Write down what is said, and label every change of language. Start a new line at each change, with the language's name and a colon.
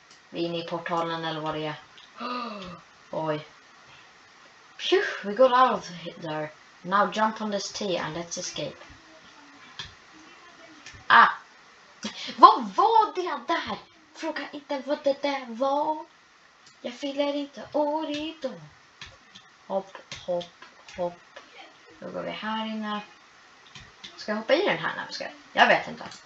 Swedish: Vi är inne i portalen eller vad det är.
English: Oj. Phew, we got out of there. Now jump on this tee and let's escape.
Swedish: Ah! Vad var det där? Fråga inte vad det där var. Jag fyller inte året då. Hopp. Då går vi här inne. Ska jag hoppa i den här? Jag vet inte.